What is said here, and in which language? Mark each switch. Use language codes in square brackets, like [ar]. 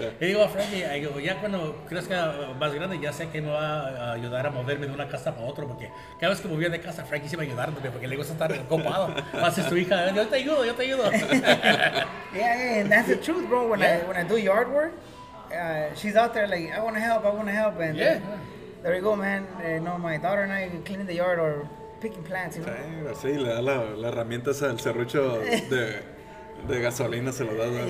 [es] Y digo a Frankie, ya cuando crezca más grande, ya sé que me va a ayudar a moverme de una casa para otra. Porque cada vez que movía de casa, Frankie se iba a ayudar, porque le gusta estar copado. Va a ser su hija, yo te ayudo. [en] Yeah, and that's the truth, bro. When I do yard work, she's out there like, I wanna help. And, yeah. There you go, man. No, my daughter and I cleaning the yard or picking plants, you know? [es] Sí, así le da la herramienta al serrucho de gasolina, se lo da.